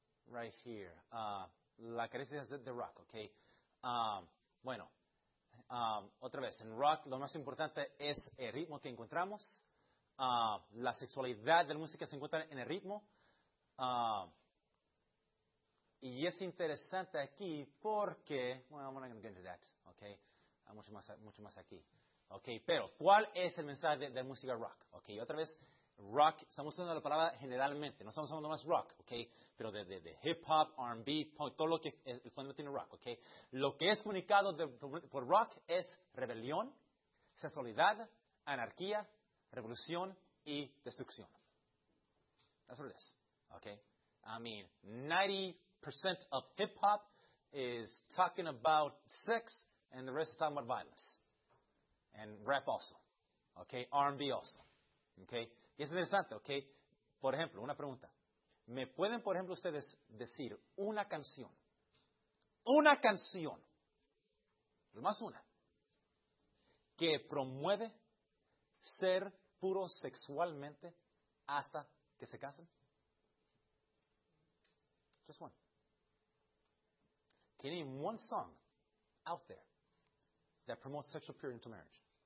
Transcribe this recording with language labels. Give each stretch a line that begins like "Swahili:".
English: Right here.
Spanish: La carencia de rock, okay? Bueno, otra vez, en rock lo más importante es el ritmo que encontramos. La sexualidad de la música se encuentra en el ritmo. Y es interesante aquí porque,
English: well, I'm not going to get into that, okay?
Spanish: Hay mucho más aquí. Okay, pero, ¿cuál es el mensaje de música rock? Okay, otra vez, rock, estamos usando la palabra generalmente, no estamos usando más rock, okay? Pero de hip-hop, R&B, punk, todo lo que el fondo tiene rock, okay? Lo que es comunicado por rock es rebelión, sexualidad, anarquía, revolución y destrucción.
English: That's what it is, okay? I mean, 90% of hip-hop is talking about sex and the rest is talking about violence. And rap also. Okay? R&B also. Okay?
Spanish: Y es interesante, okay? Por ejemplo, una pregunta. ¿Me pueden, por ejemplo, ustedes decir una canción? Una canción. Pero más una. Que promueve ser puro sexualmente hasta que se casen.
English: Just one. Can you name one song out there that promotes sexual purity into marriage?